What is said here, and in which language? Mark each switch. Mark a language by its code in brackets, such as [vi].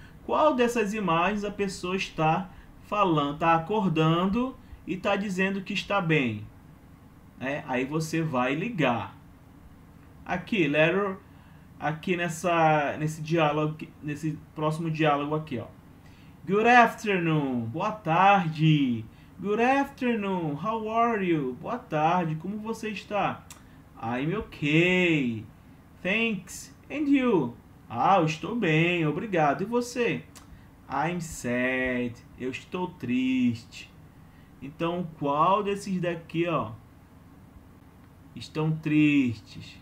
[pt] Qual dessas imagens a pessoa está falando, tá acordando e tá dizendo que está bem, né? Aí você vai ligar. Aqui, letter, aqui nesse diálogo, nesse próximo diálogo aqui, ó. [en] Good afternoon, [pt] boa tarde. [en] Good afternoon, how are you? [pt] Boa tarde, como você está? [en] I'm okay. Thanks. And you? [pt] Ah, eu estou bem, obrigado. E você? [en] I'm sad. [pt] Eu estou triste. Então, qual desses daqui, ó, estão tristes?